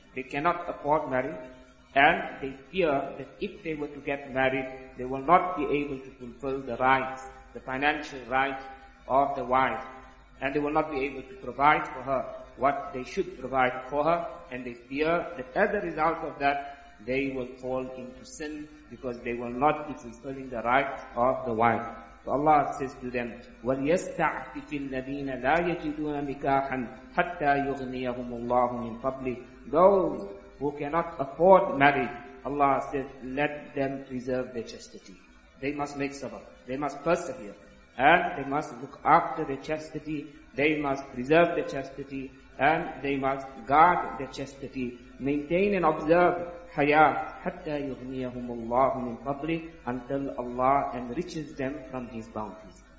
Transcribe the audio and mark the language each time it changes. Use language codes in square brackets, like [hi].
[en] They cannot afford marriage and they fear that if they were to get married, they will not be able to fulfill the rights, the financial rights of the wife, and they will not be able to provide for her what they should provide for her, and they fear that as a result of that, they will fall into sin because they will not be fulfilling the rights of the wife. [ar] So Allah says to them, وَلْيَسْتَعْفِفِ الَّذِينَ لَا يَجِدُونَ نِكَاحًا حَتَّى يُغْنِيَهُمُ اللَّهُ مِنْ فَضْلِهِ. [en] Those who cannot afford marriage, Allah says, let them preserve their chastity. They must make sabr. They must persevere. And they must look after their chastity. They must preserve their chastity. And they must guard their chastity. Maintain and observe haya, [ar] hatta yughniyahum Allah min fadli, [en] until Allah enriches them from His bounties.